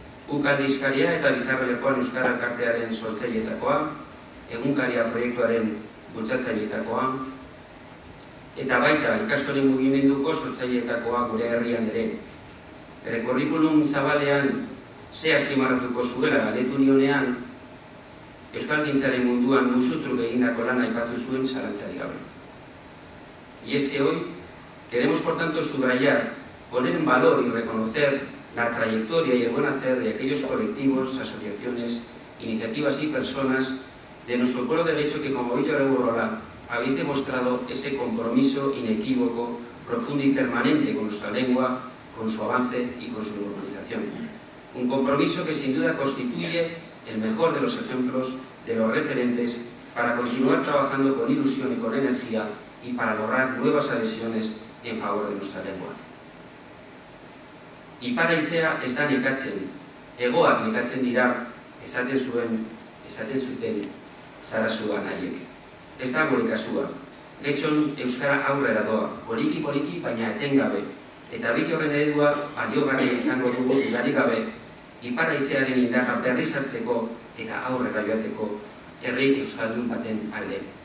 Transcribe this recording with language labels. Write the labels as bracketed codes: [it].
[eu] Ukaldizkaria eta bizarrelekoan euskara kartearen sortzaileetakoa, egunkaria proiektuaren bultzatzaileetakoa, eta baita ikastolen mugimenduko sortzaileetakoa gure herrian ere. Bere kurrikulum zabalean, ze azpimarratuko zuela galdetu nionean, euskalgintzaren munduan musutruk egindako lana aipatu zuen zalantzarik gabe. [es] Y es que hoy queremos por tanto subrayar, poner en valor y reconocer la trayectoria y el buen hacer de aquellos colectivos, asociaciones, iniciativas y personas de nuestro pueblo de derecho que como Bittor Egurrola habéis demostrado ese compromiso inequívoco, profundo y permanente con nuestra lengua, con su avance y con su normalización. Un compromiso que sin duda constituye el mejor de los ejemplos, de los referentes, para continuar trabajando con ilusión y con energía y para lograr nuevas adhesiones en favor de nuestra lengua. [eu] Ipar haizea ez da nekatzen, hegoak nekatzen dira, esaten zuten, Sarasua nahiek. Ez da gure kasua, Letxon euskara aurrera doa, poliki-poliki baina etengabe, eta Bittorren eredua baliogarri izango dugu dudarik gabe, ipar haizearen indarra berriz hartzeko eta aurrera joateko herri euskaldun baten alde.